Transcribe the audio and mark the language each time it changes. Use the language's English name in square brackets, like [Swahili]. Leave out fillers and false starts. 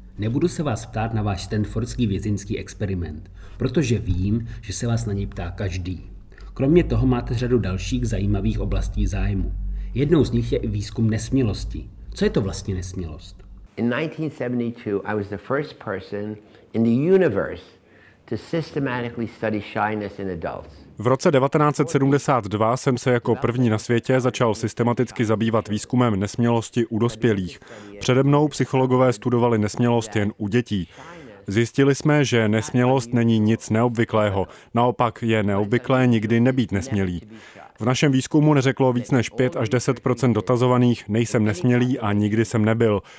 [Czech] Nebudu se vás ptát na váš stanfordský vězeňský experiment, protože vím, že se vás na něj ptá každý. Kromě toho máte řadu dalších zajímavých oblastí zájmu. Jednou z nich je i výzkum nesmělosti. Co je to vlastně nesmělost? [English] In 1972, I was the first person in the universe to systematically study shyness in adults. [Czech] V roce 1972 jsem se jako první na světě začal systematicky zabývat výzkumem nesmělosti u dospělých. Přede mnou psychologové studovali nesmělost jen u dětí. Zjistili jsme, že nesmělost není nic neobvyklého. Naopak je neobvyklé nikdy nebýt nesmělý. V našem výzkumu neřeklo víc než 5-10% dotazovaných, nejsem nesmělý a nikdy jsem nebyl.